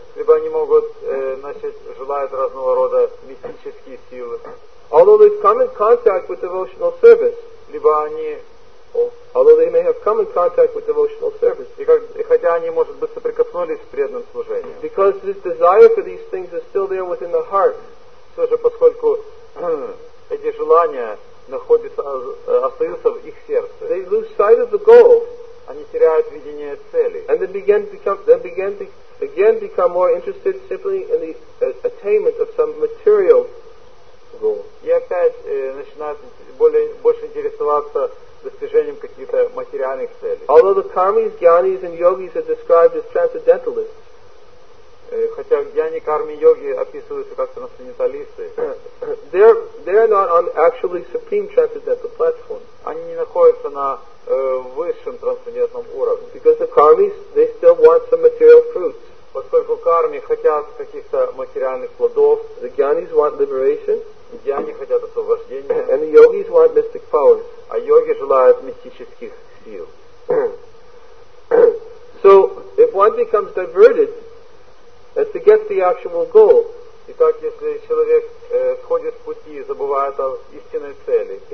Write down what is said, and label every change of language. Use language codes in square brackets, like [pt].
[ru] Либо они могут начать желать разного рода мистические силы. [en] Although they've come in contact with devotional service. [ru] Либо они [en] although they may have come in contact with devotional service. [ru] И хотя они, может быть, соприкоснулись с преданным служением. [en] Because this desire for these things is still there within the heart. [ru] Все же, поскольку эти желания находятся, остаются в их сердце. [en] They lose sight of the goal. [ru] Они теряют видение цели. [en] And they begin to become more interested simply in the attainment of some material goal. [ru] И опять начинают больше интересоваться достижением каких-то материальных целей. [en] Although the karmis, jnanis, and yogis are described as transcendentalists. [ru] Хотя джняни, карми, йоги описываются как трансценденталисты. [en] They're not on actually supreme transcendental platform. [ru] Они не находятся на высшем трансцендентном уровне. [en] Because the karmis, they still want some material fruits. [ru] Поскольку карми хотят каких-то материальных плодов. [en] The jnanis want liberation. [ru] Джняни хотят освобождения. [en] And the yogis want mystic powers. [ru] А йоги желают мистических сил. [en] So if one becomes diverted and forgets the actual goal, [ru] итак, если человек сходит с пути и забывает о истинной цели,